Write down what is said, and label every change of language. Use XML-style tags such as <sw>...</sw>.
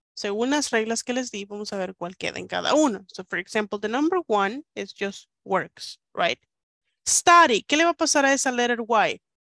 <es>Según las reglas que les di, vamos a ver cuál queda en cada uno.</es> <en>So for example, the number one is just works, right?</en> <es>Study, ¿qué le va a pasar a esa letter Y?</es>